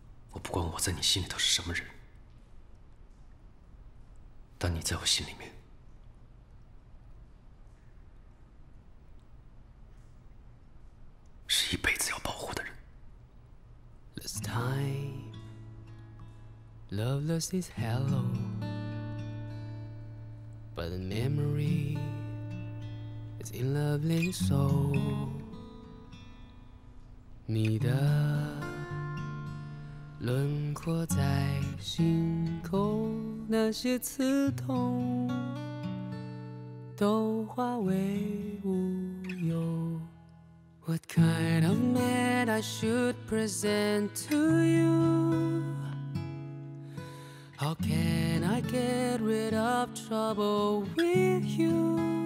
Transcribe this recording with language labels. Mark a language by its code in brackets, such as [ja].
[zh] 我不管我在你心里头是什么人，但你在我心里面，是一辈子要保护的人。 [en] This time, love lost its halo, but the memory is in lovely soul. [zh] 你的轮廓在心口，那些刺痛都化为乌有。 [en] What kind of man I should present to you? How can I get rid of trouble with you?